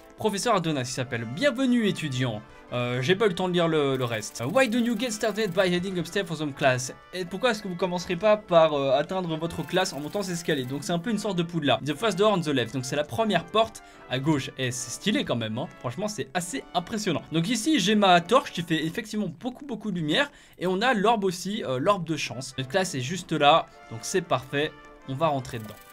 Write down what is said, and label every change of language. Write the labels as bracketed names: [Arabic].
[French] Professeur Adonis, qui s'appelle. Bienvenue étudiant. J'ai pas eu le temps de lire le reste. [English] Why don't you get started by heading upstairs for some class? [French] Et pourquoi est-ce que vous commencerez pas par atteindre votre classe en montant ces escaliers? Donc c'est un peu une sorte de Poudlard. [English] The first door on the left. [French] Donc c'est la première porte à gauche. Et c'est stylé quand même, hein. Franchement c'est assez impressionnant. Donc ici j'ai ma torche qui fait effectivement beaucoup beaucoup de lumière. Et on a l'orbe aussi, l'orbe de chance. Notre classe est juste là, donc c'est parfait. On va rentrer dedans.